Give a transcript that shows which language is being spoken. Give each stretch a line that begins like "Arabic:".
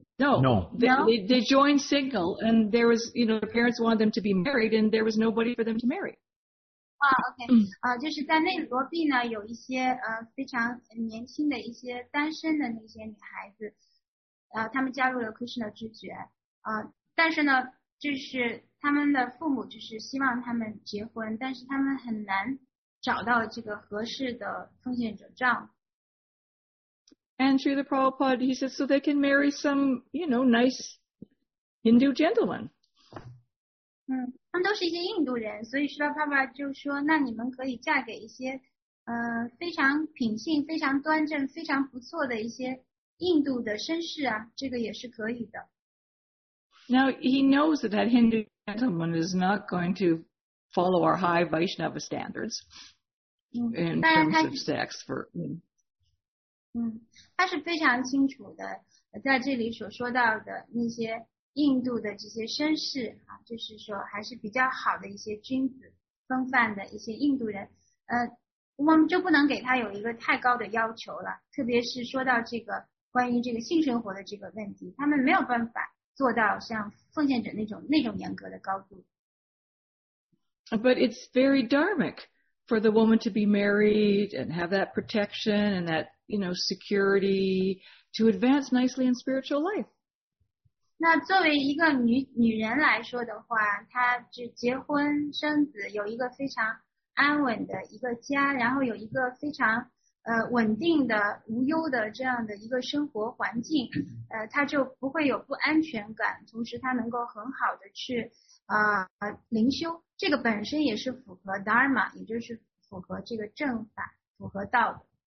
English: No, they joined single, and there was, you know, their parents wanted them to be married, and there was nobody for them to marry. Okay.
Chinese: 就是在内罗毕呢，有一些非常年轻的一些单身的那些女孩子，她们加入了 Krishna 之觉，但是呢。就是他们的父母就是希望他们结婚，但是他们很难找到这个合适的奉献者丈夫。
English: And Srila Prabhupada, he says, so they can marry some, you know, nice Hindu gentleman.
Chinese: 他们都是一些印度人，所以Srila Prabhupada就说，那你们可以嫁给一些非常品性非常端正非常不错的一些印度的绅士啊，这个也是可以的。
English: Now, he knows that that Hindu gentleman is not going to follow our high Vaishnava standards in terms of sex.
Chinese: 他是非常清楚的，在这里所说到的那些印度的这些绅士，就是说还是比较好的一些君子风范的一些印度人，我们就不能给他有一个太高的要求了，特别是说到这个关于这个性生活的这个问题，他们没有办法做到像奉献者那种严格的高度。
English: But it's very dharmic for the woman to be married and have that protection and that, you know, security to advance nicely in spiritual life.
Chinese: 那作为一个女人来说的话，她就结婚生子，有一个非常安稳的一个家，然后有一个非常稳定的无忧的这样的一个生活环境，他就不会有不安全感，同时他能够很好的去灵修，这个本身也是符合 Dharma， 也就是符合这个正法，符合道的。